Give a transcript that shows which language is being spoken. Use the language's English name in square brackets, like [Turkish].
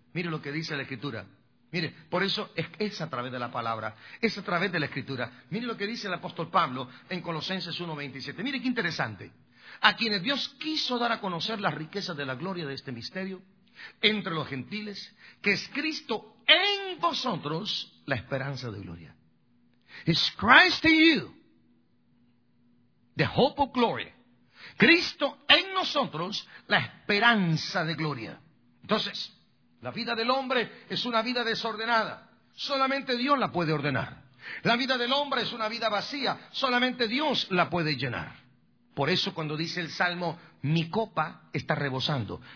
[Spanish] Mire lo que dice la Escritura. Mire, por eso es a través de la palabra, es a través de la Escritura. Mire lo que dice el apóstol Pablo en Colosenses 1:27. Mire qué interesante. A quienes Dios quiso dar a conocer las riquezas de la gloria de este misterio, entre los gentiles, que es Cristo en vosotros, la esperanza de gloria. [English] Is Christ in you, the hope of glory. [Spanish] Cristo en nosotros, la esperanza de gloria. Entonces, la vida del hombre es una vida desordenada. Solamente Dios la puede ordenar. La vida del hombre es una vida vacía. Solamente Dios la puede llenar. Por eso cuando dice el Salmo, mi copa está rebosando.